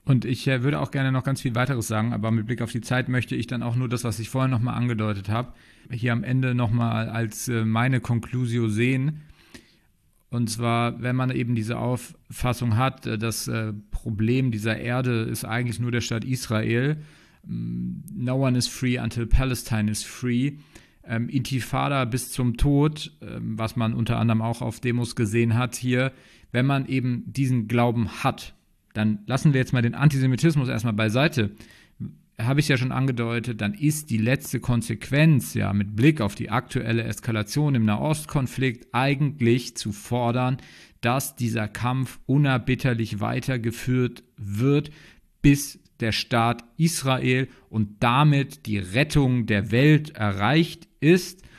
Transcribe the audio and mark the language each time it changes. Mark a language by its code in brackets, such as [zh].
[de] Und ich würde auch gerne noch ganz viel weiteres sagen, aber mit Blick auf die Zeit möchte ich dann auch nur das, was ich vorher nochmal angedeutet habe, hier am Ende nochmal als meine Conclusio sehen. Und zwar, wenn man eben diese Auffassung hat, das Problem dieser Erde ist eigentlich nur der Staat Israel. [en] No one is free until Palestine is free. [de] Intifada bis zum Tod, was man unter anderem auch auf Demos gesehen hat hier. Wenn man eben diesen Glauben hat, dann lassen wir jetzt mal den Antisemitismus erstmal beiseite. Habe ich ja schon angedeutet, dann ist die letzte Konsequenz ja mit Blick auf die aktuelle Eskalation im Nahostkonflikt eigentlich zu fordern, dass dieser Kampf unerbitterlich weitergeführt wird, bis der Staat Israel und damit die Rettung der Welt erreicht ist.